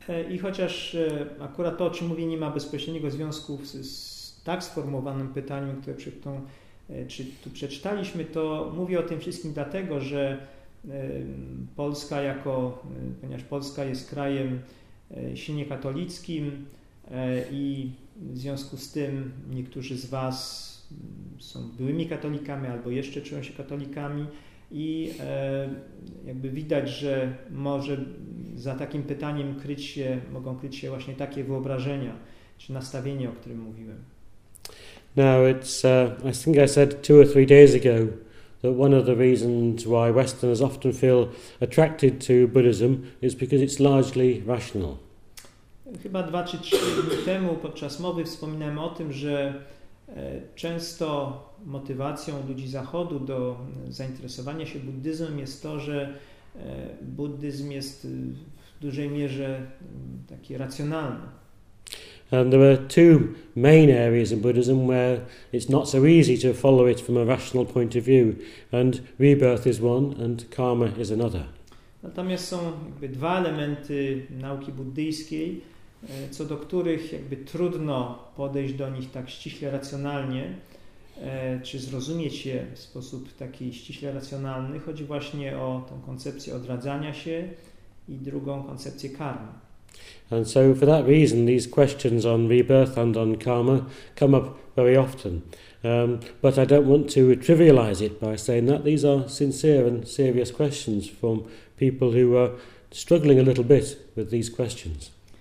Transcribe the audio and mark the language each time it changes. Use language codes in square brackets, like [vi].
[pl] I chociaż akurat to, o czym mówię, nie ma bezpośredniego związku z tak sformułowanym pytaniem, które tu przeczytaliśmy, to mówię o tym wszystkim dlatego, że Polska jako, ponieważ Polska jest krajem silnie katolickim i w związku z tym niektórzy z was są byłymi katolikami albo jeszcze czują się katolikami i jakby widać, że może za takim pytaniem mogą kryć się właśnie takie wyobrażenia czy nastawienie, o którym mówiłem. [en] Now it's I think I said 2 or 3 days ago that one of the reasons why Westerners often feel attracted to Buddhism is because it's largely rational. [pl] Chyba 2 czy 3 dni temu podczas mowy wspominałem o tym, że często motywacją ludzi Zachodu do zainteresowania się buddyzmem jest to, że buddyzm jest w dużej mierze taki racjonalny. [en] And there are 2 main areas in Buddhism where it's not so easy to follow it from a rational point of view, and rebirth is one and karma is another. [pl] Natomiast są jakby 2 elementy nauki buddyjskiej, co do których jakby trudno podejść do nich tak ściśle racjonalnie, czy zrozumieć je w sposób taki ściśle racjonalny. Chodzi właśnie o tą koncepcję odradzania się i drugą koncepcję karmy. [en] And so for that reason these questions on rebirth and on karma come up very often. But I don't want to trivialize it by saying that these are sincere and serious questions from people who are struggling a little bit with these questions.